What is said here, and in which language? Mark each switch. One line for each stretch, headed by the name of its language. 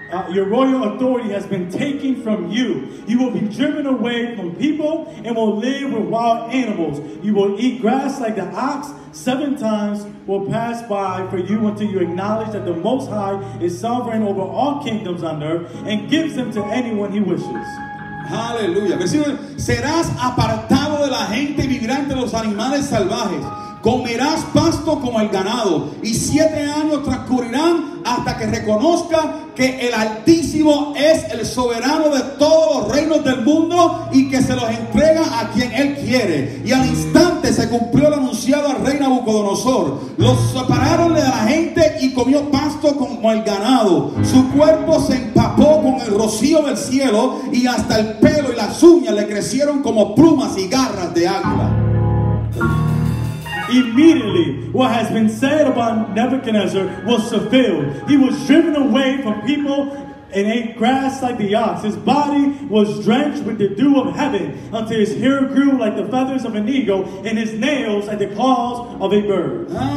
English: Your royal authority has been taken from you. You will be driven away from people and will live with wild animals. You will eat grass like the ox. Seven times will pass by for you until you acknowledge that the Most High is sovereign over all kingdoms on earth and gives them to anyone he wishes.
Spanish: Aleluya. Serás apartado de la gente y vivirás entre los animales salvajes. Comerás pasto como el ganado. Y 7 años transcurrirán hasta que reconozca que el Altísimo es el soberano de todos los reinos del mundo y que se los entrega a quien él quiere. Y al instante se cumplió el anunciado al rey Nabucodonosor. Los separaron de la gente y comió pasto como el ganado. Su cuerpo se empapó con el rocío del cielo y hasta el pelo y las uñas le crecieron como plumas y garras de águila.
English: Immediately, what has been said about Nebuchadnezzar was fulfilled. He was driven away from people and ate grass like the ox. His body was drenched with the dew of heaven until his hair grew like the feathers of an eagle and his nails like the claws of a bird.